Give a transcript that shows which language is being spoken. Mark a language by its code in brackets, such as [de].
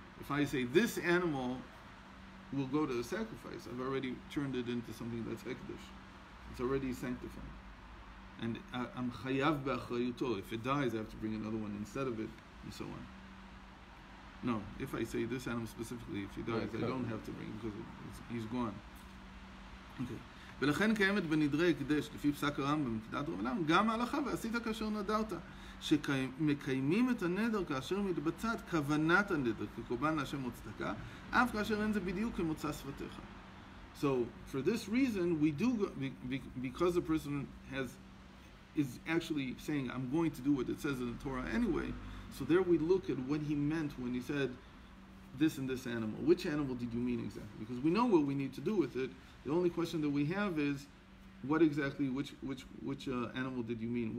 [en] If I say this animal will go to a sacrifice, I've already turned it into something that's hekdesh. It's already sanctified. And I'm chayav b'achrayuto. If it dies, I have to bring another one instead of it, and so on. No, if I say this animal specifically, if he dies, I don't have to bring him because he's gone. Okay. [he] ולכן קיימת בנדרי הקדש, לפי פסק הרמב"ם, בנקודת רמב"ם, גם ההלכה, ועשית כאשר נדרת, שמקיימים את הנדר כאשר מתבצעת כוונת הנדר, כקורבן להשם וצדקה, אף כאשר אין זה בדיוק כמוצא שפתיך. [en] So, for this reason, we do, because the person is actually saying, I'm going to do what it says in the Torah anyway, so there we look at what he meant when he said this and this animal. Which animal did you mean exactly? Because we know what we need to do with it. The only question that we have is, what exactly, which animal did you mean?